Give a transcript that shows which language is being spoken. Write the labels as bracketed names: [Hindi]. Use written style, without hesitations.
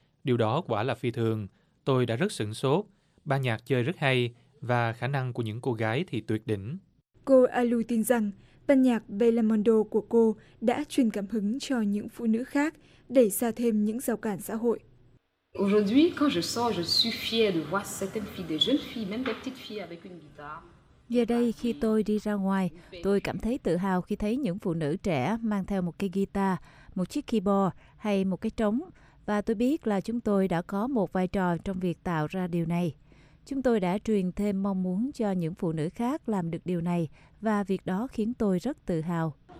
[Vietnamese] Điều đó quả là phi thường. Tôi đã rất sửng sốt. Ban nhạc chơi rất hay và khả năng của những cô gái thì tuyệt đỉnh. Cô Alu tin rằng ban nhạc Belmondo của cô đã truyền cảm hứng cho những phụ nữ khác, đẩy xa thêm những rào cản xã hội. [French] Aujourd'hui, quand je sors, je suis fière de voir certaines filles, des jeunes filles, même des petites filles avec une guitare. [Vietnamese] Giờ đây khi tôi đi ra ngoài, tôi cảm thấy tự hào khi thấy những phụ nữ trẻ mang theo một cây guitar, một chiếc keyboard hay một cái trống, và tôi biết là chúng tôi đã có một vai trò trong việc tạo ra điều này. Chúng tôi đã truyền thêm mong muốn cho những phụ nữ khác làm được điều này, và việc đó khiến tôi rất tự hào.